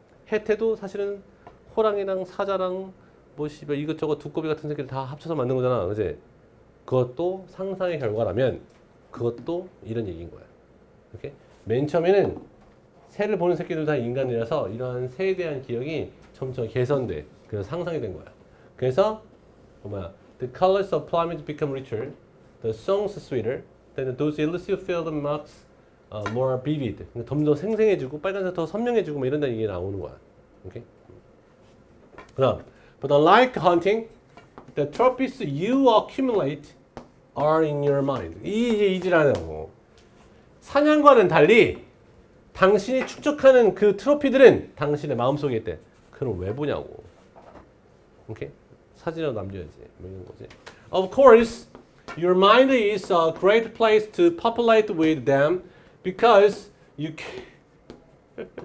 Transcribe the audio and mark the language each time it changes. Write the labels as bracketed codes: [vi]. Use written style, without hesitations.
[ko] 해태도 사실은 호랑이랑 사자랑 뭐 씨발 이것저것 두꺼비 같은 새끼들 다 합쳐서 만든 거잖아, 그지? 그것도 상상의 결과라면 그것도 이런 얘기인 거야. 이렇게? 맨 처음에는 새를 보는 새끼들 다 인간이라서 이러한 새에 대한 기억이 점점 개선돼. 그래서 상상이 된 거야. 그래서 뭐야? [en] The colors of plumage become richer, the songs sweeter, then those elusive field marks more vivid. [ko] 그러니까 점점 생생해지고 빨간색 더 선명해지고 뭐 이런다는 얘기가 나오는 거야. 오케이? [en] 그럼 But like hunting, the trophies you accumulate are in your mind. [ko] 이지라는 거. 사냥과는 달리 당신이 축적하는 그 트로피들은 당신의 마음속에 있대. 그럼 왜 보냐고. 오케이? 사진으로 남겨야지. 뭐 이런 거지. [en] Of course, your mind is a great place to populate with them because you can...